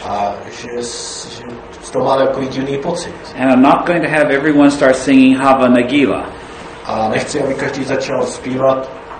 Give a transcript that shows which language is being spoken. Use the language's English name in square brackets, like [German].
[Czech] A že z toho má takový divný pocit. [English] And I'm not going to have everyone start singing Hava Nagila. [Czech] A nechci, aby každý začal zpívat